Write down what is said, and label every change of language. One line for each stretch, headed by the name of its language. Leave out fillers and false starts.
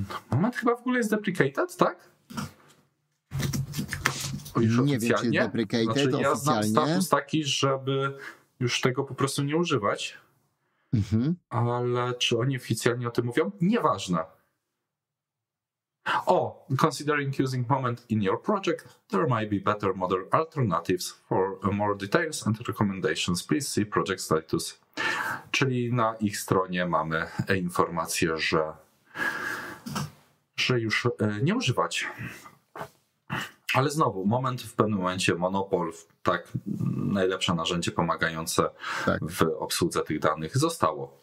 Polish: Moment chyba w ogóle jest deprecated, tak? Nie wiem, czy jest deprecated, znaczy, oficjalnie. Ja znam status taki, żeby już tego po prostu nie używać. Mhm. Ale czy oni oficjalnie o tym mówią? Nieważne.
English: Considering using Moment in your project, there might be better model alternatives. For more details and recommendations, please see project status.
Polish: Czyli na ich stronie mamy informację, że już nie używać. Ale znowu, Moment w pewnym momencie, Monopol, tak, najlepsze narzędzie pomagające tak w obsłudze tych danych zostało.